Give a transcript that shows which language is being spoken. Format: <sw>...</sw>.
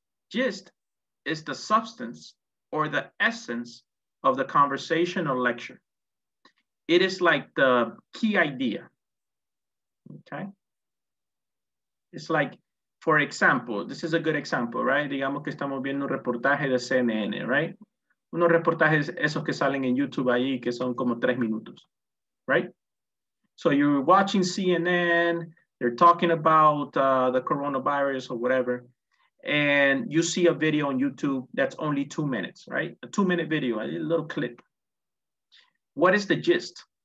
<en>Gist is the substance or the essence of the conversation or lecture. It is like the key idea. Okay. It's like, for example, this is a good example, right?</en> <es>Digamos que estamos viendo un reportaje de CNN, right? Unos reportajes esos que salen en YouTube ahí que son como 3 minutos, right?</es> <en>So you're watching CNN, they're talking about the coronavirus or whatever, and you see a video on YouTube that's only 2 minutes, right? A 2 minute video, a little clip. What is the gist?</en>